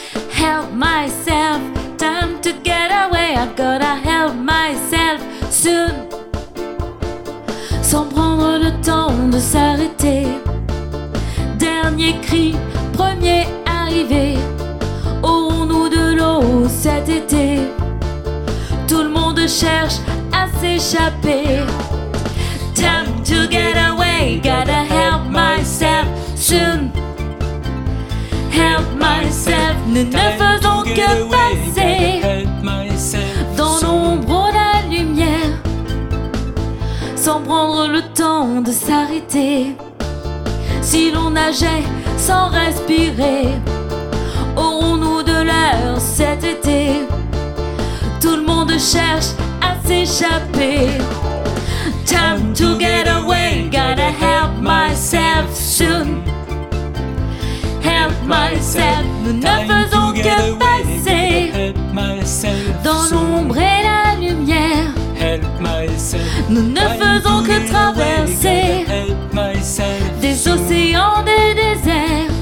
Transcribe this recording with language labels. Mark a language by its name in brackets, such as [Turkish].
[English] Help myself, time to get away, I gotta help myself soon. [French] Sans prendre le temps de s'arrêter, dernier cri, premier arrivé, aurons-nous de l'eau cet été? Tout le monde cherche à s'échapper. [English] Time to get away, gotta help myself soon. Help myself, [French] nous ne faisons que passer dans l'ombre de la lumière, sans prendre le temps de s'arrêter. Si l'on nageait sans respirer, aurons-nous de l'air cet été? Tout le monde cherche à s'échapper. [English] Time to get away, gotta help myself soon. Help myself, [French] nous ne faisons que passer dans l'ombre et la lumière. [English] Help myself, [French] nous ne faisons que traverser des océans, des déserts.